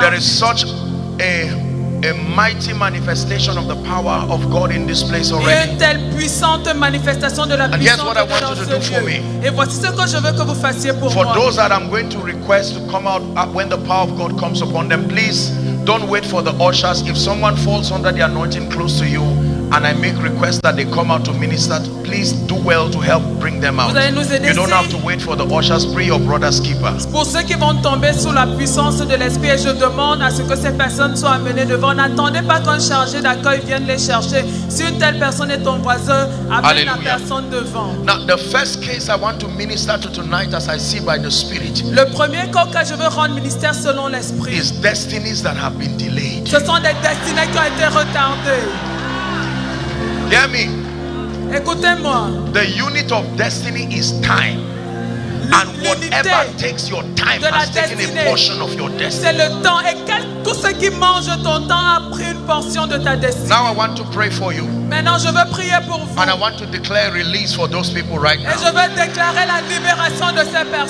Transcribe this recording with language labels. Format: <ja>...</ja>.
<en>There is such a mighty manifestation of the power of God in this place already.</en> <fr>Une telle puissante manifestation de la puissance de Dieu.</fr> <en>And here's what I want you to do for me.</en> <fr>Et voici ce que je veux que vous fassiez pour moi.</fr> <en>For those that I'm going to request to come out when the power of God comes upon them, please don't wait for the ushers. If someone falls under the anointing close to you and I make requests that they come out to minister, please do well to help bring them out. You don't have to wait for the ushers. Pray your brother's keeper.</en> <fr>Pour ceux qui vont tomber sous la puissance de l'esprit, je demande à ce que ces personnes soient amenées devant. N'attendez pas qu'un chargé d'accueil vienne les chercher. Si une telle personne est ton voisin, amène la personne devant.</fr> <en>Now, the first case I want to minister to tonight, as I see by the Spirit.</en> <fr>Le premier cas que je veux rendre ministère selon l'esprit.</fr> <en>Is destinies that have been delayed.</en> <fr>Ce sont des destinées qui ont été retardées.</fr> <en>Hear me.</en> <fr>Écoutez-moi.</fr> <en>The unit of destiny is time. And whatever takes your time has taken a portion of your destiny.</en> <fr>C'est le temps et tout ce qui mange ton temps a pris une portion de ta destinée.</fr> <en>Now I want to pray for you.</en> <fr>Maintenant je veux prier pour vous.</fr> <en>And I want to declare release for those people right now.</en> <fr>Et je veux déclarer la libération de ces personnes.</fr>